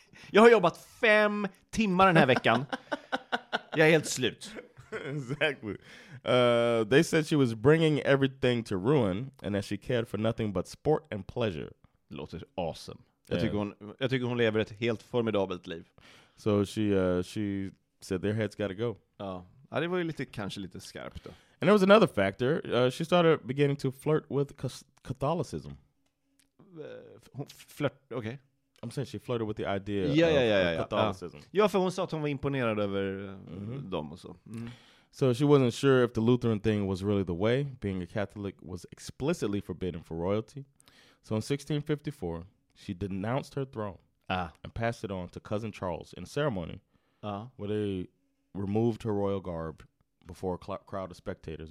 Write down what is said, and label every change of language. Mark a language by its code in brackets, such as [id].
[sv] Jag har jobbat 5 timmar den här veckan. Jag är helt slut. [en] Exactly. They said she was bringing everything to ruin and that she cared for nothing but sport and pleasure. [sv] Det låter awesome. Jag tycker hon lever ett helt formidabelt liv. [en] So she said their heads gotta go. [sv] Ja, det var ju kanske lite skarpt då. [en] And there was another factor. She started beginning to flirt with Catholicism. Flirt, okay. I'm saying she flirted with the idea of Catholicism. [sv] Ja, för hon sa att hon var imponerad över dem och så. [en] So she wasn't sure if the Lutheran thing was really the way. Being a Catholic was explicitly forbidden for royalty. So in 1654, she denounced her throne and passed it on to cousin Charles in a ceremony where they removed her royal garb before a crowd of spectators.